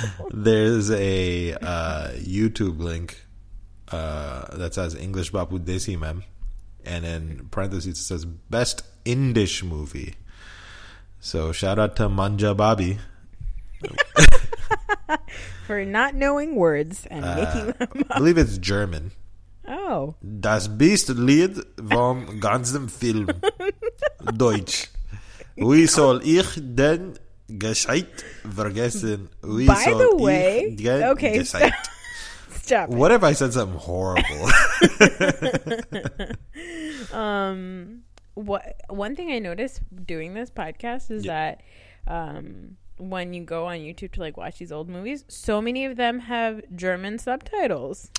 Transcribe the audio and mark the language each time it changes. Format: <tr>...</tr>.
<en>There's a YouTube link that says English Bapu Desi Mem. And in parentheses, it says Best Indish Movie. So shout out to Manja Babi. For not knowing words and making them up. I believe it's German. Oh.</en> <de>Das Beste Lied vom ganzen Film. Deutsch. Wie soll ich denn gescheit vergessen? Wie</de> <en>By</en> <de>soll</de> <en>the way.</en> <de>Ich denn</de> <en>okay.</en> <de>Gescheit?</de> <en>Stop. What if I said something horrible? One thing I noticed doing this podcast is that. When you go on YouTube to, like, watch these old movies, so many of them have German subtitles.</en>